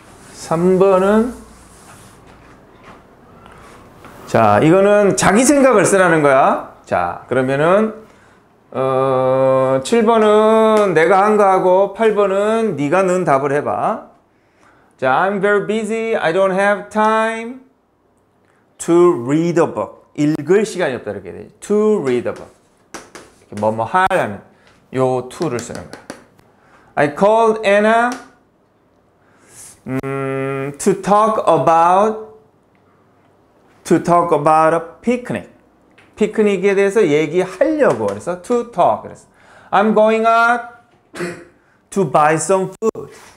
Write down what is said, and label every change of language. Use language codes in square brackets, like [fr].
[ko] 3번은, 자, 이거는 자기 생각을 쓰라는 거야. 자, 그러면은, 7번은 내가 한 거 하고 8번은 네가 넣은 답을 해봐. [en] 자, I'm very busy. I don't have time to read a book. [ko] 읽을 시간이 없다 이렇게 돼. [en] To read a book. [ko] 이렇게 뭐뭐 하라는 요 to를 쓰는 거야. [en] I called Anna to talk about a picnic. [ko] 피크닉에 대해서 얘기하려고. 그래서 [en] to talk. [ko] 그래서 [en] I'm going out to buy some food.